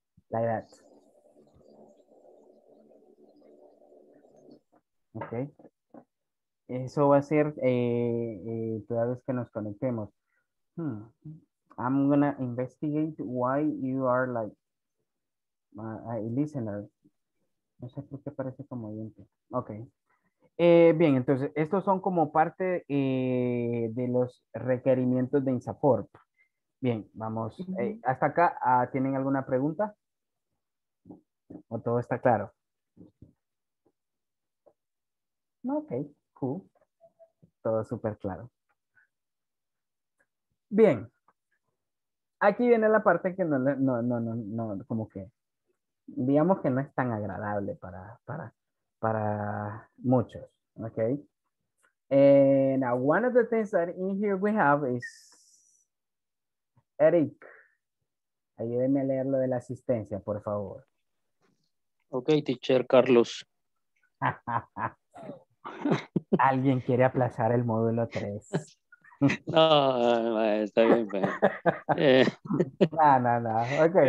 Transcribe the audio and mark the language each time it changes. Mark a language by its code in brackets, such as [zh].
[en] Like that. [es] Ok. Eso va a ser toda vez que nos conectemos. [en] I'm gonna investigate why you are like listener. [es] No sé por qué parece como oyente. Ok. Bien, entonces, estos son como parte de los requerimientos de INSAFORP. Bien, vamos. Uh-huh. Hasta acá, ¿tienen alguna pregunta? ¿O todo está claro? [en] Ok, cool. [es] Todo súper claro. Bien. Aquí viene la parte que no, como que digamos que no es tan agradable para muchos, okay? [en] Now one of the things that in here we have is Eric. [es] Ayúdeme a leer lo de la asistencia, por favor. [en] Okay, teacher Carlos. [es] Alguien quiere aplazar el módulo 3. No, está bien. No. Okay.